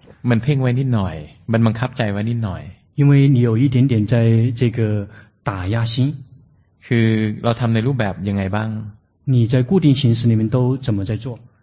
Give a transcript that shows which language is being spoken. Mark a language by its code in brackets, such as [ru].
[th] มันเพ่งไว้นิดหน่อยมันบังคับใจไว้นิดหน่อย [zh] 因为你有一点点在这个打压心 [th] คือเราทำในรูปแบบยังไงบ้าง [zh] 你在固定形式里面都怎么在做